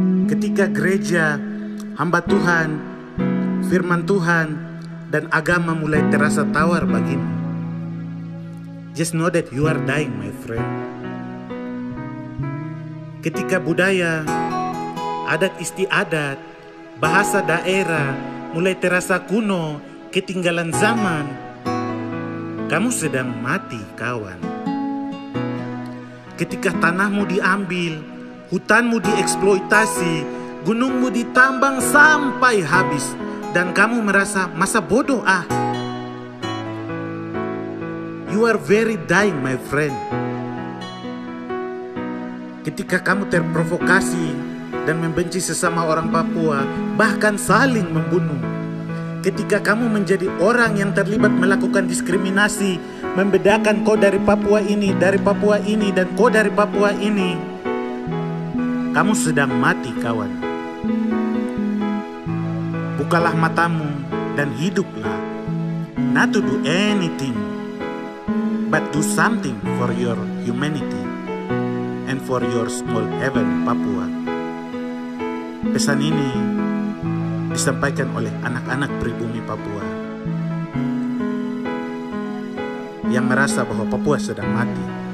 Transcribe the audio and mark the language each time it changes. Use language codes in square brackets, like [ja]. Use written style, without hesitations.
[id] ketika gereja, hamba Tuhan, firman Tuhan, dan agama mulai terasa tawar bagimu. [en] Just know that you are dying, my friend. [id] Ketika budaya, adat istiadat, bahasa daerah mulai terasa kuno, ketinggalan zaman, kamu sedang mati, kawan. Ketika tanahmu diambil, hutanmu dieksploitasi, gunungmu ditambang sampai habis, dan kamu merasa masa bodoh, ah. [en] You are very dying, my friend. [id] Ketika kamu terprovokasi dan membenci sesama orang Papua, bahkan saling membunuh. Ketika kamu menjadi orang yang terlibat melakukan diskriminasi, membedakan kau dari Papua ini, dan kau dari Papua ini, kamu sedang mati, kawan. Bukalah matamu dan hiduplah. [en] Not to do anything, but do something for your humanity and for your small heaven, Papua. [id] Pesan ini disampaikan oleh anak-anak pribumi Papua yang merasa bahwa Papua sedang mati.